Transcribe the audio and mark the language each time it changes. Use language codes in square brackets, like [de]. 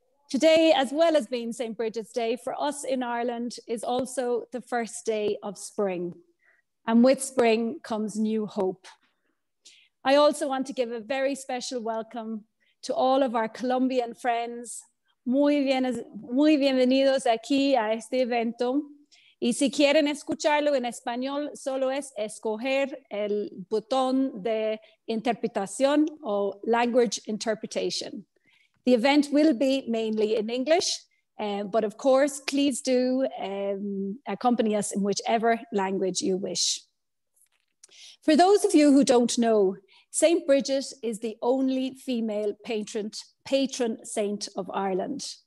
[en] Today, as well as being St. Bridget's Day, for us in Ireland, is also the first day of spring. And with spring comes new hope. I also want to give a very special welcome to all of our Colombian friends. [es] Muy bienvenidos aquí a este evento. Y si quieren escucharlo en español, solo es escoger el botón de interpretación o [en] language interpretation. The event will be mainly in English, but of course, please do accompany us in whichever language you wish. For those of you who don't know, St. Bridget is the only female patron saint of Ireland.